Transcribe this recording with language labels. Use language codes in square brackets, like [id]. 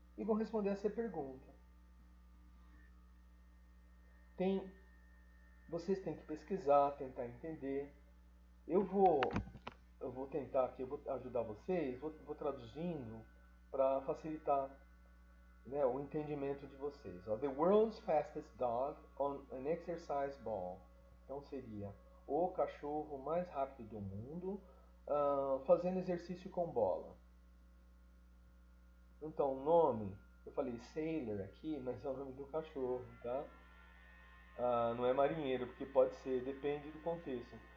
[pt] E vão responder essa pergunta. Tem Vocês têm que pesquisar, tentar entender. Eu vou tentar aqui, eu vou ajudar vocês, vou traduzindo para facilitar, né, o entendimento de vocês. Ó. [en] The world's fastest dog on an exercise ball. [pt] Então seria o cachorro mais rápido do mundo, fazendo exercício com bola. Então, o nome, eu falei Sailor aqui, mas é o nome do cachorro, tá? Não é marinheiro, porque pode ser, depende do contexto.